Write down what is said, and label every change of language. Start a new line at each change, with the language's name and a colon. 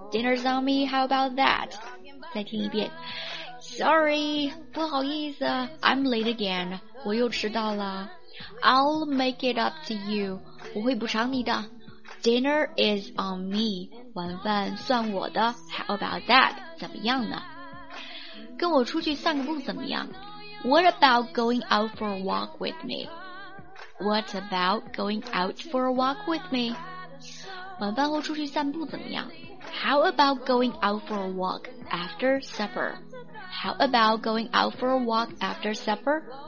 English: Dinner's on me, how about that?
Chinese: 再听一遍。
English: Sorry,
Chinese: 不好意思，
English: I'm late again.
Chinese: 我又迟到了。
English: I'll make it up to you.
Chinese: 我会补偿你的。
English: Dinner is on me.
Chinese: 晚饭算我的，
English: how about that?
Chinese: 怎么样呢？跟我出去散个步怎么样？
English: What about going out for a walk with me? What about going out for a walk with me?
Chinese: 晚饭后出去散步怎么样？
English: How about going out for a walk after supper? How about going out for a walk after supper?